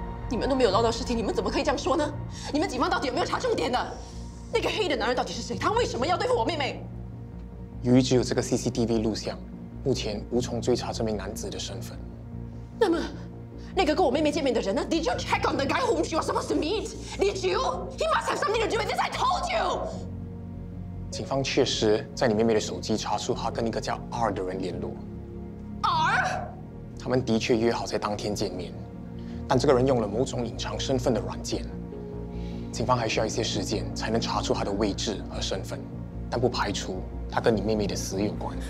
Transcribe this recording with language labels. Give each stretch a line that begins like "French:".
Chinese: 你们都没有捞到尸体，你们怎么可以这样说呢？你们警方到底有没有查重点呢？那个黑衣的男人到底是谁？他为什么要对付我妹妹？由于只有这个 CCTV 录像，目前无从追查这名男子的身份。那么，那个跟我妹妹见面的人呢？
English: Did you check on the guy whom she was supposed to meet? Did you? He must have something to do with this. I told you.
Chinese: 警方确实在你妹妹的手机查出她跟一个叫 R 的人联络。 R? 他们的确约好在当天见面，但这个人用了某种隐藏身份的软件。警方还需要一些时间才能查出他的位置和身份，但不排除他跟你妹妹的死有关。